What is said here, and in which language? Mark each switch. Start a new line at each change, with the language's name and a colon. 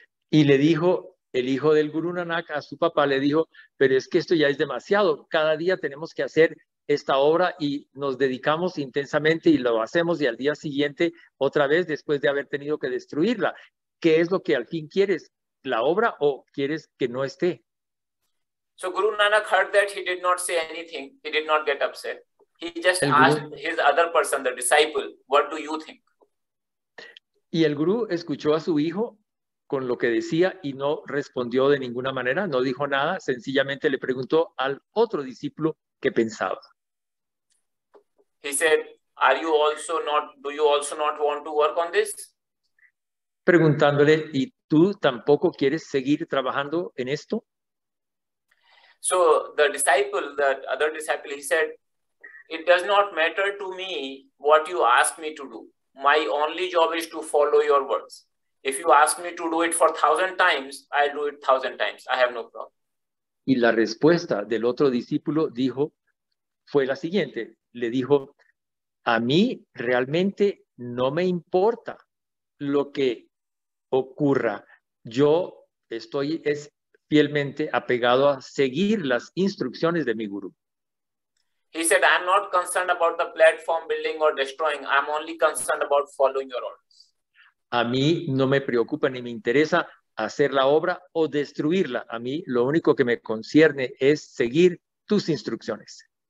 Spanish: Y le dijo el hijo del Guru Nanak a su papá, le dijo, pero es que esto ya es demasiado. Cada día tenemos que hacer esta obra y nos dedicamos intensamente y lo hacemos y al día siguiente otra vez después de haber tenido que destruirla. ¿Qué es lo que al fin quieres? ¿La obra o quieres que no esté?
English: So Guru Nanak heard that, he did not say anything. He did not get upset. He just asked his other person, the disciple, what do you think?
Spanish: Y el Guru escuchó a su hijo con lo que decía y no respondió de ninguna manera, no dijo nada, sencillamente le preguntó al otro discípulo qué pensaba.
English: He said, are you also not, do you also not want to work on this?
Spanish: Preguntándole, ¿y tú tampoco quieres seguir trabajando en esto?
English: So the disciple, the other disciple, he said, it does not matter to me what you ask me to do. My only job is to follow your words. If you ask me to do it for 1,000 times, I'll do it 1,000 times. I have no problem.
Spanish: Y la respuesta del otro discípulo dijo, fue la siguiente. Le dijo, a mí realmente no me importa lo que ocurra. Yo estoy fielmente apegado a seguir las instrucciones de mi guru.
English: He said, I'm not concerned about the platform building or destroying. I'm only concerned about following your orders.
Spanish: A mí no me preocupa ni me interesa hacer la obra o destruirla. A mí lo único que me concierne es seguir tus instrucciones.